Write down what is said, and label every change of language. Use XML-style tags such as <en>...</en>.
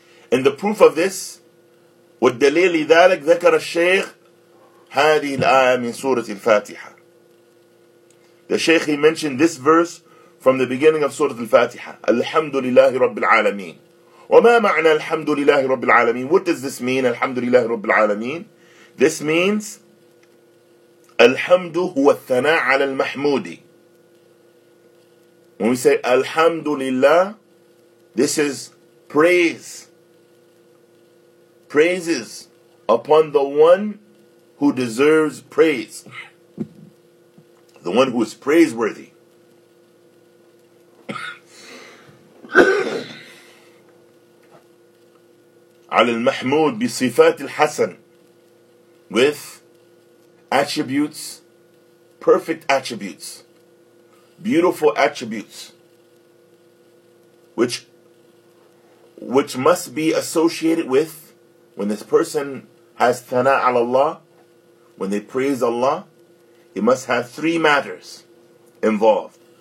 <en>And the proof of this,</en> <ar>وَالدَّلِيلِ ذَلَكْ ذَكَرَ الشَّيْخ هَذِهِ الْآيَةِ مِنْ سُورَةِ الْفَاتِحَةِ.</ar> <en>The Shaykh, he mentioned this verse from the beginning of Surah Al-Fatiha.</en> <ar>الْحَمْدُ لِلَّهِ رَبِّ الْعَالَمِينَ. وَمَا مَعْنَى الْحَمْدُ لِلَّهِ رَبِّ الْعَالَمِينَ.</ar> <en>What does this mean,</en> <ar>الْحَمْدُ لِلَّهِ رَبِّ الْعَالَمِينَ?</ar> <en>This means,</en> <ar>الْحَمْدُ هُوَ الثَّنَاءَ عَلَى الْمَحْمُودِ.</ar> <en>When we say,</en> <ar>الْحَمْدُ لِلَّهِ,</ar> <en>this is praise. Praises upon the one who deserves praise. The one who is praiseworthy.</en> <ar>على المحمود بصفات الحسن.</ar> <en>With attributes, perfect attributes, beautiful attributes, which must be associated with. When this person has</en> <ar>thana ala Allah,</ar> <en>when they praise Allah, it must have three matters involved.</en>